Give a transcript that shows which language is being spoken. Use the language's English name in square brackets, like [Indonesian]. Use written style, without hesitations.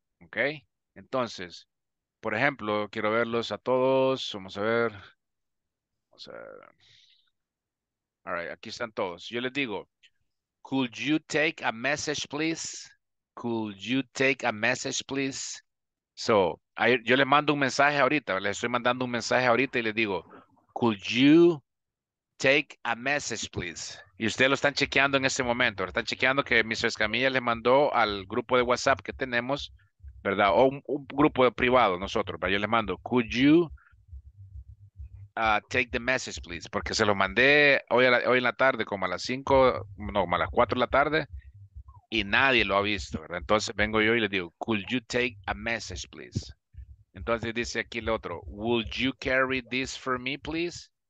[Spanish] Okay, entonces, por ejemplo, quiero verlos a todos. Vamos a ver. [English] All right, [Spanish] aquí están todos. Yo les digo, [English] could you take a message, please? Could you take a message, please? So, [Spanish] yo les mando un mensaje ahorita. Les estoy mandando un mensaje ahorita y les digo, [English] could you take a message, please? [Spanish] Y ustedes lo están chequeando en este momento. Están chequeando que Mr. Escamilla les mandó al grupo de WhatsApp que tenemos, ¿verdad? O un grupo privado, nosotros. Yo les mando, [English] could you take the message, please? [Spanish] Porque se lo mandé hoy en la tarde, como a las 5, no, como a las 4 de la tarde, y nadie lo ha visto, ¿verdad? Entonces vengo yo y le digo, [English] could you take a message, please? [Spanish] Entonces dice aquí el otro, [English] would you carry this for me, please?